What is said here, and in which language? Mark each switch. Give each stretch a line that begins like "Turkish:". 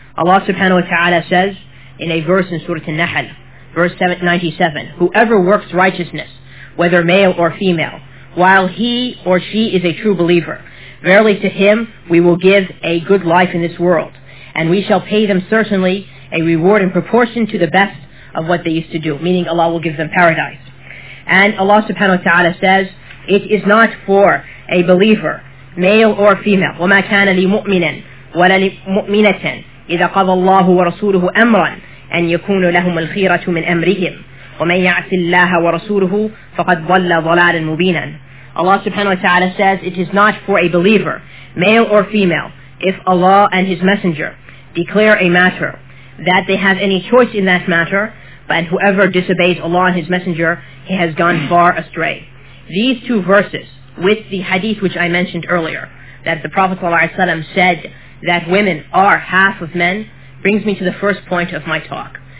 English: Allah subhanahu wa ta'ala says in a verse in Surah An-Nahl, verse 97, whoever works righteousness, whether male or female, while he or she is a true believer, verily to him we will give a good life in this world, and we shall pay them certainly a reward in proportion to the best of what they used to do, meaning Allah will give them paradise. And Allah subhanahu wa ta'ala says, it is not for a believer, male or female,
Arabic: وَمَا كَانَ لِمُؤْمِنًا وَلَا لِمُؤْمِنَةً إِذَا قَضَى اللَّهُ وَرَسُولُهُ أَمْرًا أَنْ يَكُونُ لَهُمُ الْخِيرَةُ مِنْ أَمْرِهِمْ وَمَنْ يَعْصِ اللَّهَ وَرَسُولُهُ فَقَدْ ضَلَّ ضَلَالًا مُبِينًا.
English: Allah subhanahu wa ta'ala says, it is not for a believer, male or female, if Allah and His Messenger declare a matter, that they have any choice in that matter, but whoever disobeys Allah and His Messenger, he has gone far astray. These two verses, with the hadith which I mentioned earlier, that the Prophet ﷺ said that women are half of men, brings me to the first point of my talk.